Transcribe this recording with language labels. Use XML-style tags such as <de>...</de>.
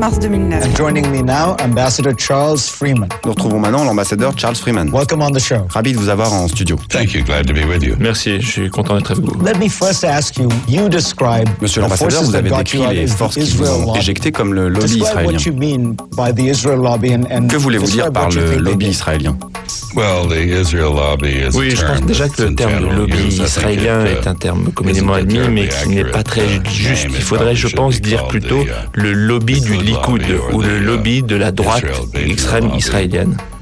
<fr>mars 2009.</fr> <en>And joining me now, Ambassador Charles Freeman.</en> <fr>Nous retrouvons maintenant l'ambassadeur Charles Freeman.</fr> <en>Welcome on the show.</en> <fr>Ravi de vous avoir en studio.</fr> <en>Thank you, glad to be with you.</en> <fr>Merci, je suis content d'être avec vous.</fr> <en>Let me first ask you, you describe</en> <fr>Monsieur l'ambassadeur, vous avez décrit les forces qui vous ont éjecté comme le lobby israélien.</fr> <en>What you mean by the Israel lobby and</en> <fr>que voulez-vous dire par le lobby israélien?</fr> <en>Well, the Israel lobby is</en> <fr>oui, je pense déjà que le terme de lobby israélien est un terme communément admis, mais qui n'est pas très juste. Il faudrait, je pense, dire plutôt le lobby du Likoud ou le lobby de la droite extrême israélienne.</fr>